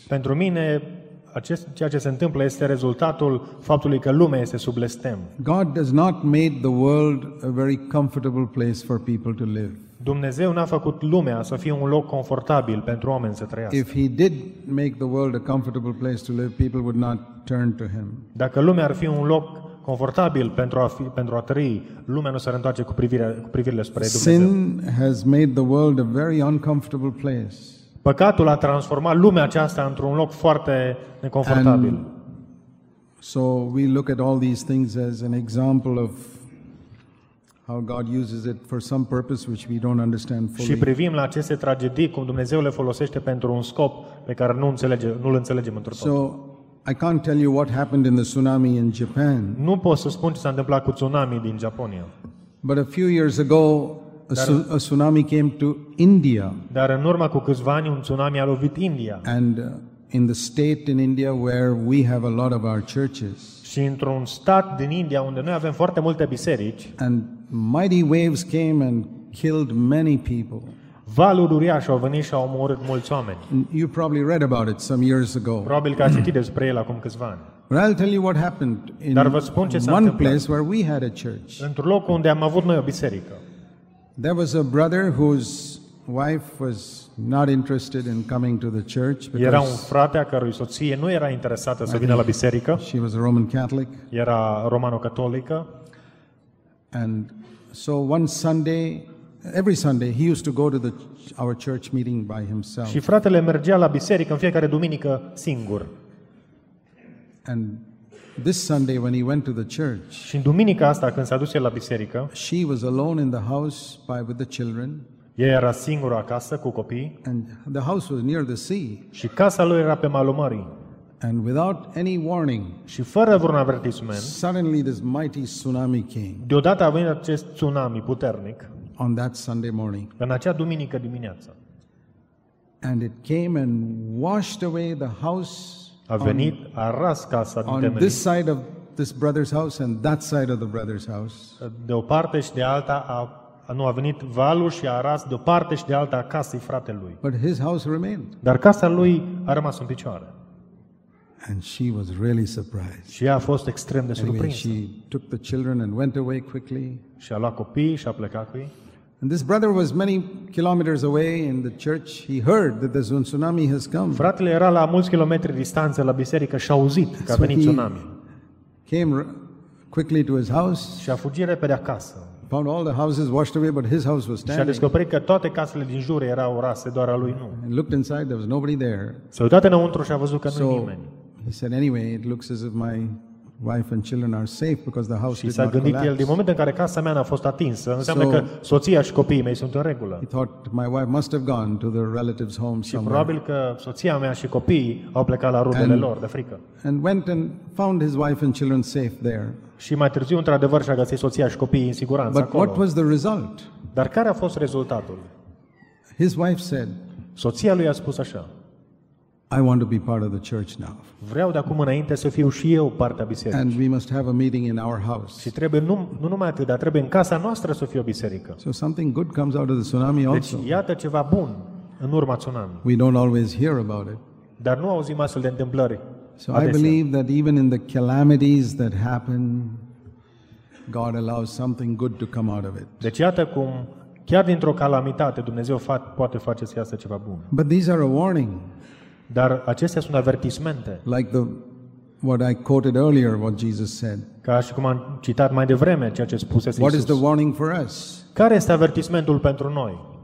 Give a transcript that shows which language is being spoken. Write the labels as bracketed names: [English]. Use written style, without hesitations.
[Romanian] Pentru mine, ceea ce se întâmplă este rezultatul faptului că lumea este sub blestem. [English] God has not made the world a very comfortable place for people to live. [Romanian] Dumnezeu n-a făcut lumea să fie un loc confortabil pentru oameni să trăiască. [English] If he did make the world a comfortable place to live, people would not turn to him. [Romanian] Dacă lumea ar fi un loc confortabil pentru a trăi, lumea nu s-ar întoarce cu privirile spre Dumnezeu. [English] Sin has made the world a very uncomfortable place. [Romanian] Păcatul a transformat lumea aceasta într-un loc foarte neconfortabil. [English] So we look at all these things as an example of how God uses it for some purpose which we don't understand fully. [Romanian] Și privim la aceste tragedii cum Dumnezeu le folosește pentru un scop pe care nu-l înțelegem într-o tot. [English] So I can't tell you what happened in the tsunami in Japan. [Romanian] Nu pot să spun ce s-a întâmplat cu tsunami din Japonia. [English] But a few years ago a tsunami came to India. [Romanian] Dar în urmă cu câțiva ani un tsunami a lovit India. [English] And in the state in India where we have a lot of our churches. [Romanian] Și într-un stat din India unde noi avem foarte multe biserici. [English] And mighty waves came and killed many people. [Romanian] Valuri uriașe au venit și au omorât mulți oameni. [English] You probably read about it some years ago. [Romanian] Probabil că ați citit despre el acum câțiva ani. [English] But I'll tell you what happened in one place where we had a church. [Romanian] Într-un loc unde am avut noi o biserică. [English] There was a brother whose wife was not interested in coming to the church because [Romanian] era un frate a cărui soție nu era interesată să vină la biserică. [English] She was a Roman Catholic. [Romanian] Era romano-catolică. [English] And so one Sunday, every Sunday he used to go to our church meeting by himself. [Romanian] Și fratele mergea la biserică în fiecare duminică singur. [English] And This Sunday when he went to the church. [Romanian] Și în duminica asta când s-a dus el la biserică. [English] She was alone in the house by with the children. [Romanian] Ea era singură acasă cu copii. [English] And the house was near the sea. [Romanian] Și casa lui era pe malul mării. [English] And without any warning. [Romanian] Și fără vreun avertisment. [English] Suddenly this mighty tsunami came. [Romanian] Deodată a venit acest tsunami puternic. [English] On that Sunday morning. [Romanian] În acea duminică dimineață. [English] And it came and washed away the house. [Romanian] A venit, a ras casa din temelii. [English] On this side of this brother's house and that side of the brother's house. [Romanian] De o parte și de alta a venit valul și a ras de o parte și de alta a casei fratelui. [English] But his house remained. [Romanian] Dar casa lui a rămas în picioare. [English] And she was really surprised. [Romanian] Și a fost extrem de surprinsă. [English] Anyway, she took the children and went away quickly. [Romanian] Și a luat copii și a plecat cu ei. [English] And this brother was many kilometers away in the church. He heard that the tsunami has come. [Romanian] Fratele era la mulți kilometri distanță la biserică și a auzit că a venit tsunami. [English] Came quickly to his house. [Romanian] Și a fugit repede acasă. [English] Found all the houses washed away, but his house was standing. [Romanian] Și a descoperit că toate casele din jur erau rase, doar a lui nu. [English] And looked inside, there was nobody there. [Romanian] S-a uitat înăuntru și a văzut că nu-i nimeni. [English] He said, anyway, it looks as if my wife and children are safe because the house did not collapse. [Romanian] Și s-a gândit el, din momentul în care casa mea n-a fost atinsă, înseamnă că soția și copiii mei sunt în regulă. [English] He thought my wife must have gone to the relatives' home somewhere. [Romanian] Și probabil că soția mea și copiii au plecat la rudele lor de frică. [English] And went and found his wife and children safe there. [Romanian] Și mai târziu, într-adevăr, și-a găsit soția și copiii în siguranță [English] But [Romanian] acolo. [English] What was the result? [Romanian] Dar care a fost rezultatul? [English] His wife said, [Romanian] soția lui a spus așa: [English] I want to be part of the church now. [Romanian] Vreau de acum înainte să fiu și eu parte a bisericii. [English] And we must have a meeting in our house. [Romanian] Și trebuie nu numai atât, dar trebuie în casa noastră să fie o biserică. [English] So something good comes out of the tsunami also. [Romanian] Deci iată ceva bun în urma tsunami. [English] We don't always hear about it. [Romanian] Dar nu auzim astfel de întâmplări. [English] So I believe that even in the calamities that happen, God allows something good to come out of it. [Romanian] Deci iată cum chiar dintr-o calamitate Dumnezeu poate face să iasă ceva bun. [English] But these are a warning. [Romanian] Dar acestea sunt avertismente. [English] Like what I quoted earlier, what Jesus said. [Romanian] Ca și cum am citat mai devreme ceea ce spusese Iisus. [English] What is the warning for us? [Romanian] Care este avertismentul pentru noi?